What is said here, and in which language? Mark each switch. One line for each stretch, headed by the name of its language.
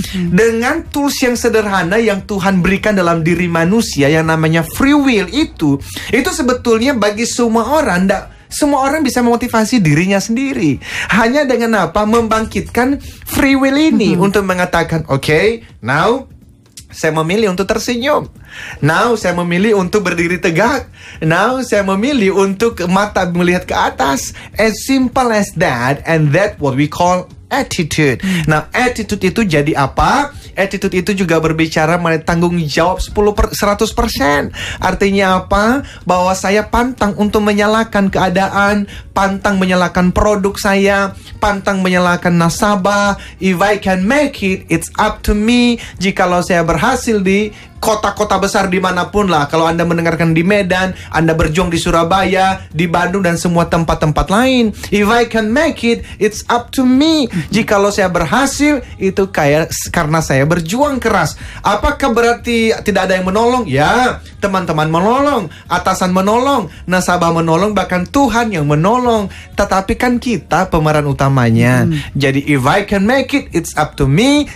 Indonesian: Dengan tools yang sederhana yang Tuhan berikan dalam diri manusia yang namanya free will itu, itu sebetulnya bagi semua orang, enggak semua orang bisa memotivasi dirinya sendiri. Hanya dengan apa? Membangkitkan free will ini untuk mengatakan, oke, now saya memilih untuk tersenyum. Now saya memilih untuk berdiri tegak. Now saya memilih untuk mata melihat ke atas.
English: As simple as that, and that what we call attitude.
Indonesian: Nah, attitude itu jadi apa? Attitude itu juga berbicara mengenai tanggung jawab 100%. Artinya apa? Bahwa saya pantang untuk menyalahkan keadaan, pantang menyalahkan produk saya, pantang menyalahkan nasabah.
English: If I can make it, it's up to me.
Indonesian: Jikalau saya berhasil di kota-kota besar dimanapun lah, kalau Anda mendengarkan di Medan, Anda berjuang di Surabaya, di Bandung, dan semua tempat-tempat lain,
English: if I can make it, it's up to me.
Indonesian: Jikalau saya berhasil, itu kayak karena saya berjuang keras. Apakah berarti tidak ada yang menolong? Ya, teman-teman menolong, atasan menolong, nasabah menolong, bahkan Tuhan yang menolong. Tetapi kan kita pemeran utamanya. Jadi
English: if I can make it, it's up to me.